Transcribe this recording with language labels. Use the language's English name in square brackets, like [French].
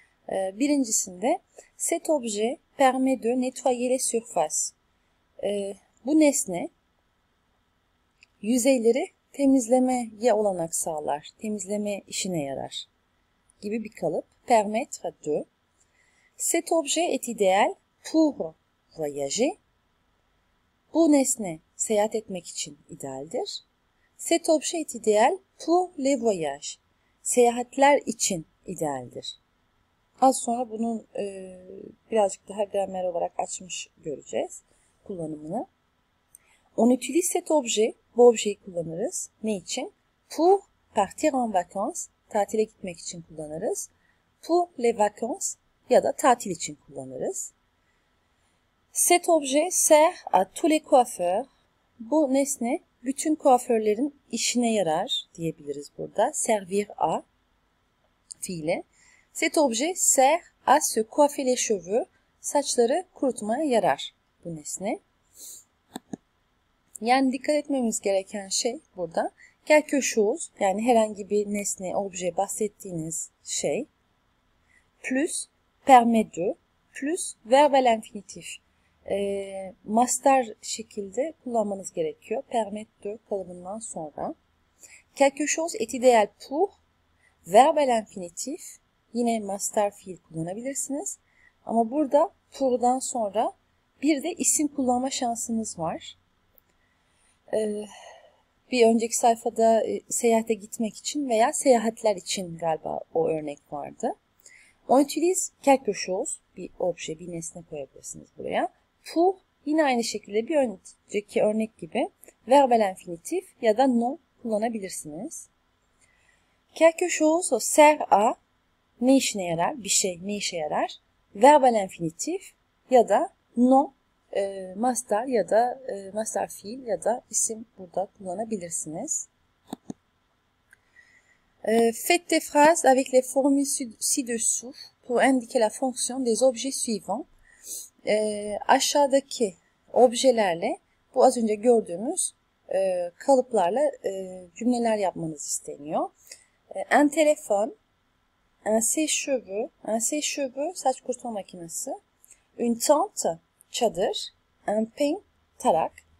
[Turkish] Birincisinde, [French] cet objet permet de nettoyer les surfaces. [Turkish] Bu nesne yüzeyleri temizlemeye olanak sağlar, temizleme işine yarar gibi bir kalıp. [French] Permettre de. Cet objet est idéal pour voyager. [Turkish] Bu nesne seyahat etmek için idealdir. [French] Cet objet est idéal pour les voyages. [Turkish] Seyahatler için idealdir. Az sonra bunun birazcık daha gramer olarak açmış göreceğiz kullanımını. [French] On utilise cet objet, [Turkish] bu objeyi kullanırız. Ne için? [French] Pour partir en vacances, [Turkish] tatile gitmek için kullanırız. [French] Pour les vacances [Turkish] ya da tatil için kullanırız. [French] Cet objet sert à tous les coiffeurs. [Turkish] Bu nesne bütün kuaförlerin işine yarar diyebiliriz burada. [French] Servir à [Turkish] fiile. [French] Cet objet sert à se coiffer les cheveux. [Turkish] Saçları kurutmaya yarar bu nesne. Yani dikkat etmemiz gereken şey burada. [French] Quelque chose, [Turkish] yani herhangi bir nesne, obje, bahsettiğiniz şey. [French] Plus, permet de. Plus, verbal infinitif. [Turkish] Mastar şekilde kullanmanız gerekiyor. [French] Permet de [Turkish] kalıbından sonra. [French] Quelque chose est idéal pour. Verbal infinitif. [Turkish] Yine mastar fiil kullanabilirsiniz. Ama burada pour'dan sonra bir de isim kullanma şansınız var. Bir önceki sayfada seyahate gitmek için veya seyahatler için galiba o örnek vardı. [French] On utilise quelque chose, [Turkish] bir obje, bir nesne koyabilirsiniz buraya. Pour, yine aynı şekilde bir önceki örnek gibi verbal infinitif ya da non kullanabilirsiniz. [French] Quelque chose sert a, [Turkish] ne işine yarar, bir şey ne işe yarar? Verbal infinitif ya da non. Master ya da master fiil ya da isim burada kullanabilirsiniz. [French] Faites des phrases avec les formules ci-dessous pour indiquer la fonction des objets suivants. [Turkish] Aşağıdaki objelerle, bu az önce gördüğümüz kalıplarla cümleler yapmanız isteniyor. [French] Un téléphone, un sèche-cheveux, [Turkish] saç kurutma makinesi, [French] une tente, [Turkish] çadır, [French] un tarak.